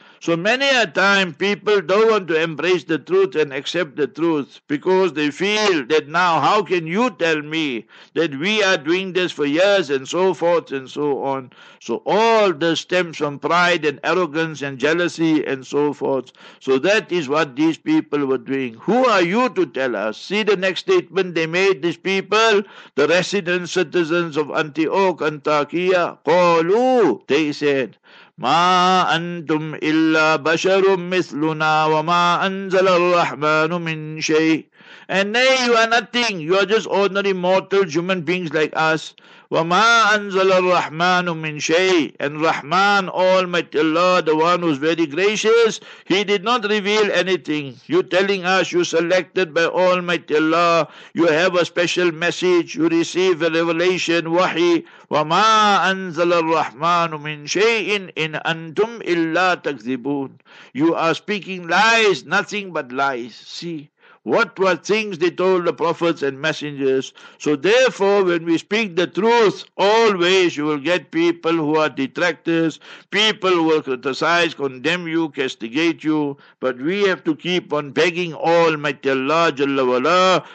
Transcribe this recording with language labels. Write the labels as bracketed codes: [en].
[en] So many a time people don't want to embrace the truth and accept the truth because they feel that now how can you tell me that we are doing this for years and so forth and so on. So all this stems from pride and arrogance and jealousy and so forth. So that is what these people were doing. Who are you to tell us? See the next statement they made, these people, the resident citizens of Antioch, Antakya. [ar] قالوا, [en] they said, [ar] مَا أَنْتُمْ إِلَّا بَشَرٌ مِثْلُنَا وَمَا أَنْزَلَ الرَّحْمَنُ مِنْ شَيْءٍ. [en] And nay, you are nothing. You are just ordinary mortal human beings like us. [ar] وَمَا أَنْزَلَ الرَّحْمَنُ مِنْ شَيْءٍ. [en] And Rahman, Almighty Allah, the one who is very gracious, he did not reveal anything. You telling us you selected by Almighty Allah, you have a special message, you receive a revelation, wahi. [ar] وَمَا أَنْزَلَ الرَّحْمَنُ مِنْ شَيْءٍ إِنْ أَنْتُمْ إِلَّا تَكْذِبُونَ. [en] You are speaking lies, nothing but lies. See, what were things they told the prophets and messengers. So therefore, when we speak the truth, always you will get people who are detractors, people who will criticize, condemn you, castigate you. But we have to keep on begging Almighty Allah Jalla Wala.